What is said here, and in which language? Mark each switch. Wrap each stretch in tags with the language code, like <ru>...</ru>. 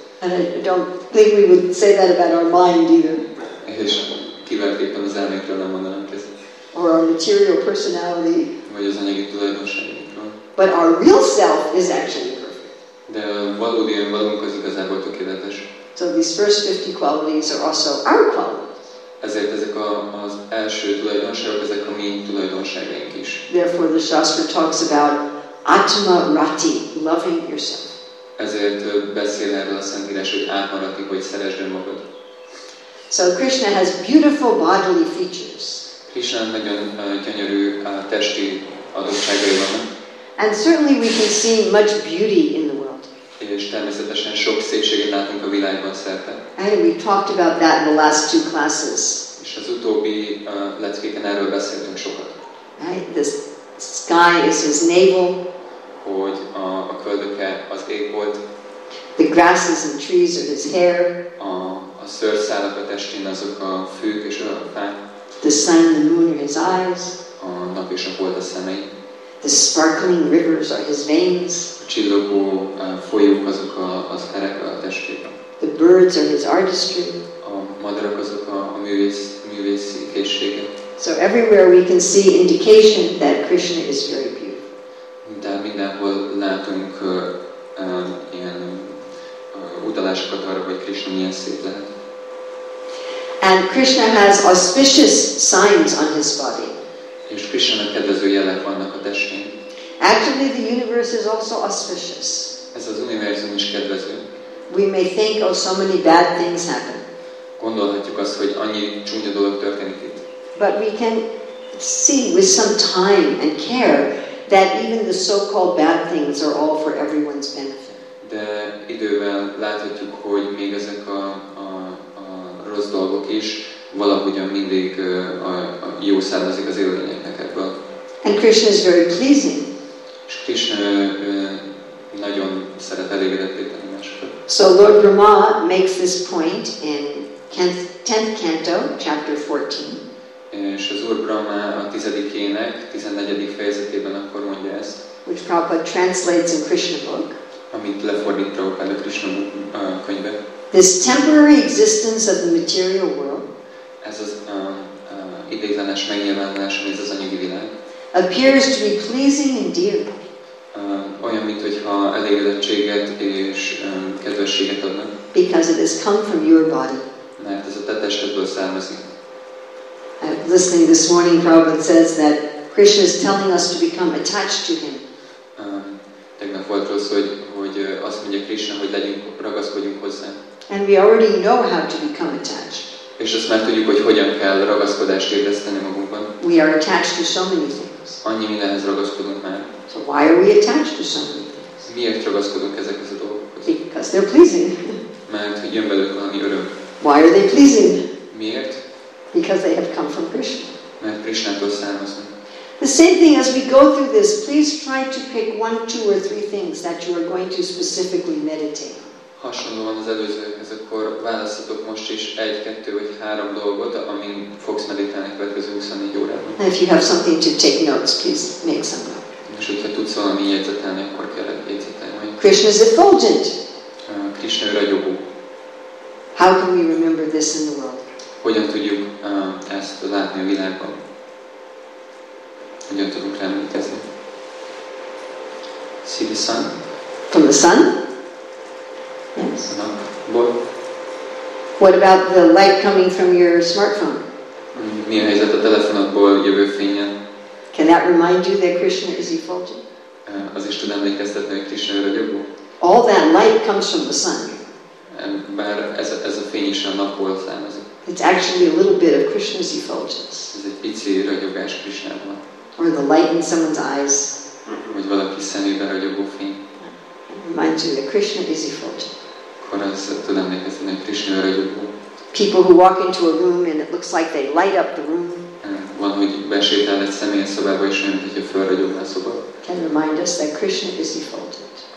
<en>And I don't think we would say that about our mind either.</en> <hu>És kiváltképpen az elménkről nem mondanám ezt.</hu> <en>Or our material personality.</en> <hu>Vagy az anyagi tulajdonságunkról.</hu> <en>But our real self is actually perfect.</en> <hu>De valódi önmagunk az igazából tökéletes.</hu> <en>these first 50 qualities are also our qualities.</en> <hu>Ezért ezek az első tulajdonságok, ezek a mi tulajdonságaink is.</hu> <en>Therefore the Shastra talks about Atma Rati, loving yourself.</en> <hu>Ezért beszél erről a Szentírás, hogy Atma Rati, hogy szeresd önmagad.</hu> <en>So Krishna has beautiful bodily features.</en> <hu>Krishna nagyon gyönyörű testi adottságai vannak.</hu> <en>And certainly we can see much beauty in the world.</en> <hu>És természetesen sok szépséget látunk a világban szerte.</hu> <en>And we talked about that in the last two classes.</en> <hu>És az utóbbi leckéken erről beszéltünk sokat.</hu> <en>Right? The sky is his navel.</en> <hu>Hogy a köldöke az égbolt.</hu> <en>The grasses and trees are his hair.</en> <hu>A szőrszálak a testén azok a fűk és a fák.</hu> <en>The sun and the moon are his eyes.</en> <hu>A nap és a hold a szemei.</hu> <en>The sparkling rivers are his veins.</en> <hu>A csillogó folyók azok az erek a testében.</hu> <en>The birds are his artistry.</en> <hu>A madarak azok a művészi készsége.</hu> <en>So everywhere we can see indication that Krishna is very beautiful.</en> <hu>De mindenhol látunk ilyen utalásokat arra, hogy Krishna milyen szép lehet.</hu> <en>And Krishna has auspicious signs on his body.</en> <hu>És Krishna kedvező jelek vannak a testén.</hu> <en>Actually, the universe is also auspicious.</en> <hu>Ez az univerzum is kedvező.</hu> <en>We may think, oh, so many bad things happen.</en> <hu>Gondolhatjuk azt, hogy annyi csúnya dolog történik itt.</hu> <en>But we can see with some time and care that even the so-called bad things are all for everyone's benefit.</en> <hu>De idővel láthatjuk, hogy még ezek a rossz dolgok is valahogyan mindig a jó származik az élőlényeknek ebből.</hu> <en>And Krishna is very pleasing.</en> <hu>És Krishna nagyon szeret elégedetté tenni másokat.</hu> <en>So Lord Brahma makes this point in 10th canto, chapter 14.</en> <hu>És az Úr Brahma a tizedik ének, 14. fejezetében akkor mondja ezt.</hu> <en>Which Prabhupada translates in Krishna book.</en> <hu>Amit lefordít Prabhupada Krishna könyve.</hu> <en>This temporary existence of the material world.</en> <hu>Ez az ideiglenes megnyilvánulás, ez az anyagi világ.</hu> <en>Appears to be pleasing and dear.</en> <hu>Olyan, mint hogyha elégedettséget és kedvességet adnak.</hu> <en>Because it has come from your body.</en> <hu>Mert ez a te testedből származik.</hu> <en>Listening this morning, Prabhupada says that Krishna is telling us to become attached to him.</en> <hu>Tegnap volt róla szó, hogy azt mondja Krishna, hogy ragaszkodjunk hozzá.</hu> <en>And we already know how to become attached.</en> <hu>És azt már tudjuk, hogy hogyan kell ragaszkodást érezteni magunkban.</hu> <en>We are attached to so many things.</en> <hu>Annyi mindenhez ragaszkodunk már.</hu> <en>So why are we attached to so many things?</en> <hu>Miért ragaszkodunk ezekhez a dolgokhoz?</hu> <en>Because they're pleasing.</en> <hu>Mert hogy jön belőle valami öröm.</hu> <en>Why are they pleasing?</en> <hu>Miért?</hu> <en>Because they have come from Krishna.</en> <hu>Mert Krishnától származnak.</hu> <en>The same thing as we go through this, please try to pick one, two or three things that you are going to specifically meditate.</en> <hu>Hasonlóan az előzőhez, akkor választhatok most is egy, kettő vagy három dolgot, amin fogsz meditálni a következő 24 órában.</hu> <en>And if you have something to take notes, please make some notes.</en> <hu>És hogyha tudsz valami jegyzetelni, akkor kérlek jegyzetelni.</hu> <en>Krishna is effulgent.</en> <hu>Krishna ragyogó.</hu> <en>How can we remember this in the world?</en> <hu>Hogyan tudjuk ezt látni a világban? Hogyan tudunk rá emlékezni?</hu> <en>See the sun? From the sun? Yes.</en> <hu>A napból?</hu> <en>What about the light coming from your smartphone?</en> <hu>Mi a helyzet a telefonodból jövő fényen?</hu> <en>Can that remind you that Krishna is effulgent?</en> <hu>Az is tud emlékeztetni, hogy Krishna ragyogó?</hu> <en>All that light comes from the sun.</en> <hu>Bár ez a fény is a napból származik.</hu> <en>It's actually a little bit of Krishna's effulgence.</en> <hu>Ez egy pici ragyogás Krishnában.</hu> <en>Or the light in someone's eyes.</en> <hu>Vagy valaki szemében ragyogó fény.</hu> <en>Reminds you that Krishna is effulgent.</en> <hu>Akkor az tud emlékezni, hogy Krishna ragyogó.</hu> <en>People who walk into a room and it looks like they light up the room.</en> <hu>Van, hogy besétál egy személy a szobába, és olyan, hogyha felragyogná a szoba.</hu> <en>Can remind us that Krishna is effulgent.</en>